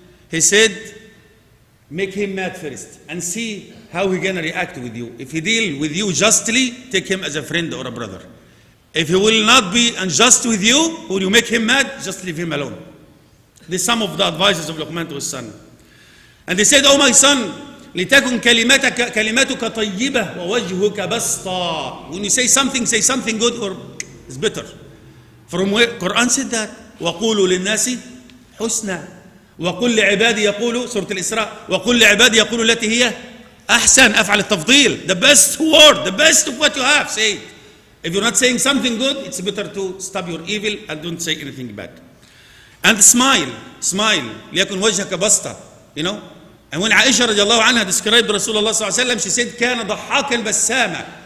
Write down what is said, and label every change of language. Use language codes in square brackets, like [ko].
[en] He said, make him mad first and see how he's going to react with you. If he deal with you justly, take him as a friend or a brother. If he will not be unjust with you, when you make him mad, just leave him alone. This is some of the advices of Luqman to his son. And he said, oh my son, [ar] لتكن كلمتك طيبة ووجهك بسطا. [en] When you say something good or is better. From where Quran said that. [ar] وقولوا للناس حسنا. وقل لعبادي يقولوا سورة الإسراء. وقل لعبادي يقولوا التي هي أحسن أفعل التفضيل. [en] The best word, the best of what you have. Say it. If you're not saying something good, it's better to stop your evil and don't say anything bad. And smile. [ar] ليكن وجهك بسطا. [en] You know. And when Aisha radiallahu anha described Rasulullah sallallahu alayhi wa she said, [ar] كَانَ ضَحَّاكَ الْبَسَّامَ.